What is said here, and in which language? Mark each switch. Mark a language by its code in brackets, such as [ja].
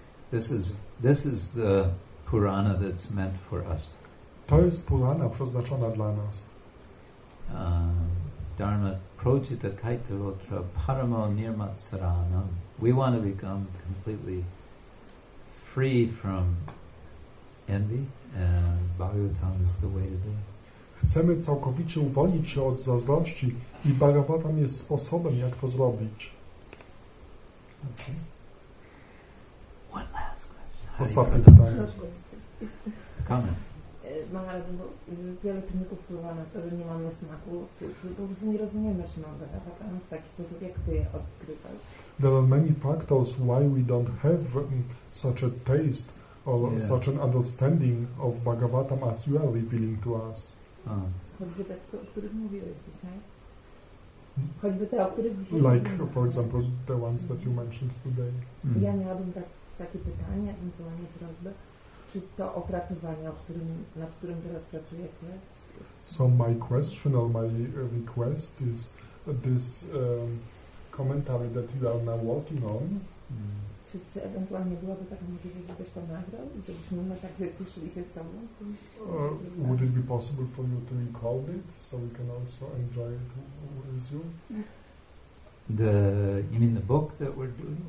[en] This is the Purana that's meant for us. [pl] To jest Purana przeznaczona dla nas. [sa] Dharma prochita kaitavotra paramo nirmatsaranam. [en] We want to become completely free from envy, and Bhagavatam is the way to be. [pl] Chcemy całkowicie uwolnić się od zazdrości i Bhagavatam jest sposobem, jak to zrobić. [en] Okay. One last question. [pl] Ostatnie pytanie. [en] Comment. [pl] Maharaj, bo wiele czynników wpływa na to, że nie mamy smaku. Czy po prostu nie rozumiemy Śrimad Bhagavatam w taki sposób, jak ty je odkrywasz? [en] There are many factors why we don't have such a taste or yeah. such an understanding of Bhagavatam as you are revealing to us. [pl] Choćby te, o których dzisiaj [en] like, for example, the ones that you mentioned today. [pl] Ja miałabym takie pytanie, ewentualnie prośbę. Czy to opracowanie, nad którym teraz pracujecie? [en] So my question or my request is this commentary that you are now working on. [pl] Czy ewentualnie byłaby taka możliwość, żebyś to nagrał i żebyśmy na także cieszyli się z tobą? [en] Would it be possible for you to record it so we can also enjoy it with you? You mean the book that we're doing?